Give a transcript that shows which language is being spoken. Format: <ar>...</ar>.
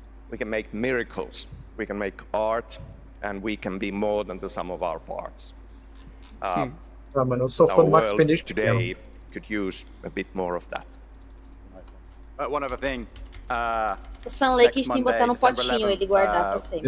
<en>We can make miracles, we can make art, and we can be more than the sum of our parts.</en> <pt>Ah, mano, eu sou fã do Max Payne desde pequeno.</pt> <en>Today could use a bit more of that. But one other thing.</en> <pt>O Sam Lake a gente tem que botar no potinho, ele guardar pra sempre.</pt>